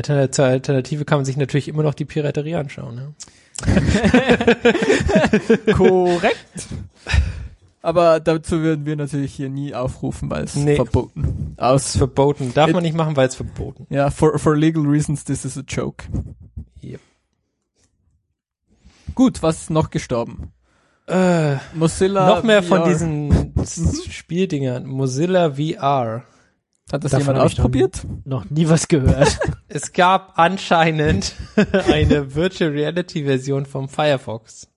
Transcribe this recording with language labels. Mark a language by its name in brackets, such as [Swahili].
[German] Zur Alternative kann man sich natürlich immer noch die Piraterie anschauen, ja. Korrekt. Aber dazu würden wir natürlich hier nie aufrufen, weil es verboten. Aus verboten. Darf man nicht machen, weil es verboten. Ja, [English] for legal reasons, this is a joke. Yep. [German] Gut, was ist noch gestorben? Mozilla noch mehr VR. Von diesen Spieldingern. Mozilla VR. Hat das jemand ausprobiert? Noch nie was gehört. Es gab anscheinend eine Virtual Reality Version vom Firefox.